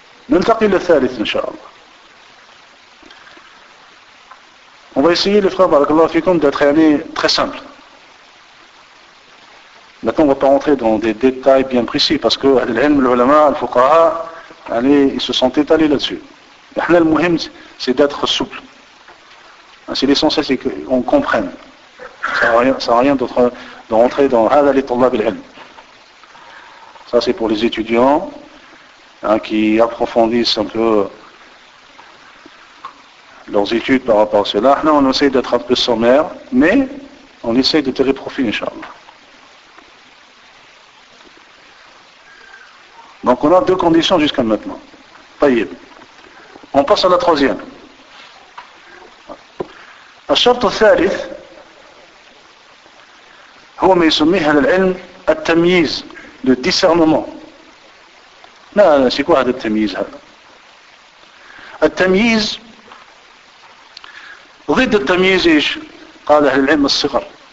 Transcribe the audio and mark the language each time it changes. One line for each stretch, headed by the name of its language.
Arabic: ننتقل للثالث إن شاء الله.
French: On va essayer, les frères,
Arabic: بارك الله فيكم,
French: d'être يعني très simple. Maintenant, on ne va pas rentrer dans des détails bien précis parce que
Arabic: العلم, العلماء, الفقهاء, يعني,
French: ils se sont étalés là-dessus.
Arabic: نحن المهم,
French: c'est d'être souple. C'est l'essentiel, c'est qu'on comprenne. Ça n'a rien d'autre de rentrer dans
Arabic: هذا لطلاب العلم.
French: Ça, c'est pour les étudiants. Hein, qui approfondissent un peu leurs études par rapport à cela. Là, on essaie d'être un peu sommaire, mais on essaie de tirer profit, Inch'Allah. Donc on a deux conditions jusqu'à maintenant. Tayyib. On passe à la troisième.
Arabic: الشرط الثالث هو ما يسميه أهل العلم التمييز
French: le discernement.
Arabic: ما
French: c'est quoi
Arabic: هذا التمييز هذا؟ التمييز ضد التمييز ايش؟ قال أهل العلم الصغر.